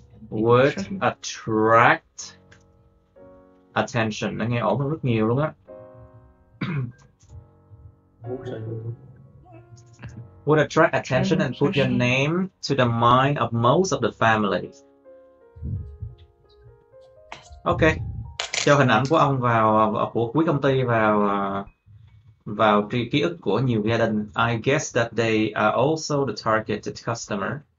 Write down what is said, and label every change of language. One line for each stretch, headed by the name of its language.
English: Would attract attention.
Vietnamese: Nó nghe ổn hơn rất nhiều luôn á.
English: Would attract attention and put your name to the mind of most of the families. Okay.
Vietnamese: Cho hình ảnh của ông vào của quý công ty vào ký ức của nhiều gia đình.
English: I guess that they are also the targeted customer.